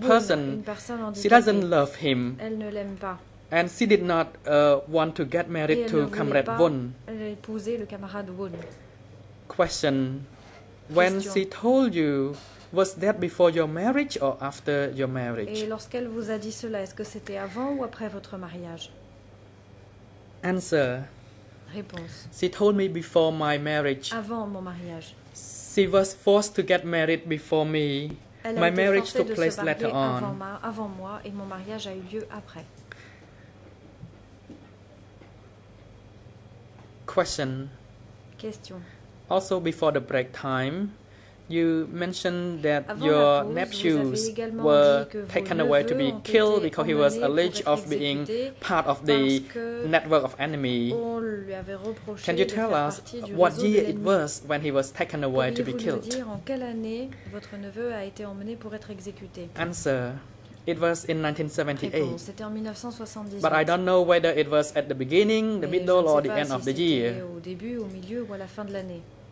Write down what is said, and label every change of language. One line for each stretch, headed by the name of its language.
English: person. She doesn't love him.
French: Elle ne l'aime pas.
English: And she did not want to get married to Comrade Won.
French: Épouser le camarade Won.
English: Question. When she told you, was that before your marriage or after your marriage?
French: Et lorsqu'elle vous a dit cela, est-ce que c'était avant ou après votre mariage?
English: Answer.
French: Réponse.
English: She told me before my marriage.
French: Avant mon mariage.
English: She was forced to get married before me.
French: Elle
English: my marriage took place later on.
French: Avant moi et mon mariage a eu lieu après.
English: Question.
French: Question.
English: Also before the break time, you mentioned that
French: avant
English: your nephews were taken away to be killed because he was alleged of being part of the network of enemy. Can you tell us what year it was when he was taken away to be killed?
French: En quelle année votre neveu a été emmené pour être exécuté?
English: Answer. It was in 1978. But I don't know whether it was at the beginning, the middle, or the end of the year.
French: Au début, au milieu, ou à la fin de l'année.